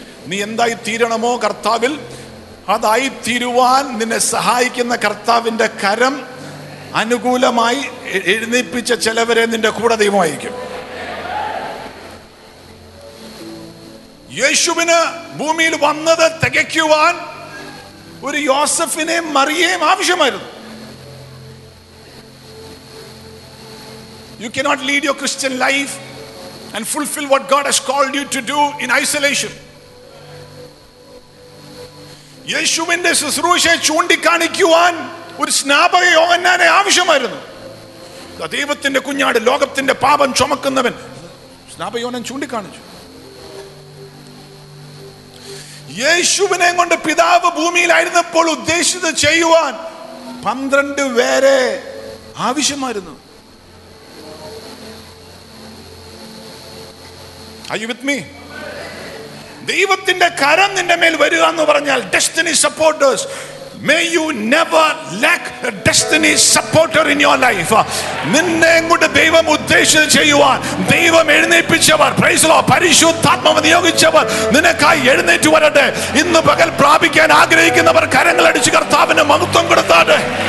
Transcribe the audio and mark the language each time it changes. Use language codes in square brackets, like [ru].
[ml] നീ എന്തായി തീരണമോ കർത്താവിൽ അതായി തീരുവാൻ നിന്നെ സഹായിക്കുന്ന കർത്താവിന്റെ കരം അനുകൂലമായി എഴുന്നേൽപ്പിച്ച ചിലവരെ നിന്റെ കൂടെ ദൈവമായിരിക്കും. യേശുവിന് ഭൂമിയിൽ വന്നത് തികയ്ക്കുവാൻ ഒരു യോസഫിനെയും മറിയേയും ആവശ്യമായിരുന്നു. [en] You cannot lead your Christian life and fulfill what God has called you to do in isolation. [ml] യേശുവിന്റെ ശുശ്രൂഷയെ ചൂണ്ടിക്കാണിക്കുവാൻ ഒരു സ്നാപക യോഹന്നാനെ ആവശ്യമായിരുന്നു. ദൈവത്തിന്റെ കുഞ്ഞാട്, ലോകത്തിന്റെ പാപം ചുമക്കുന്നവൻ സ്നാപക യോഹന്നാൻ ചൂണ്ടിക്കാണിച്ചു. യേശുവിനെ കൊണ്ട് പിതാവ് ഭൂമിയിലായിരുന്നപ്പോൾ ഉദ്ദേശിച്ചത് ചെയ്യുവാൻ 12 പേരെ ആവശ്യമായിരുന്നു. [en] Are you with me? [ml] ദൈവത്തിന്റെ കരം നിന്റെ മേൽ വരിക എന്ന് പറഞ്ഞാൽ destiny supporters. [en] May you never lack a destiny supporter in your life. [ml] നിന്നെ കൊണ്ട് ദൈവം ഉദ്ദേശിച്ചത് ചെയ്യുവാൻ ദൈവം എഴുന്നേൽപ്പിച്ചവർ, [en] praise Lord, [ml] പരിശുദ്ധാത്മാവ് നിയോഗിച്ചവർ നിനക്കായി എഴുന്നേറ്റ് വരട്ടെ. ഇന്ന് പകൽ പ്രാപിക്കാൻ ആഗ്രഹിക്കുന്നവർ കരങ്ങൾ അടിച്ച് കർത്താവിന് മഹത്വം കൊടുത്താട്ടെ.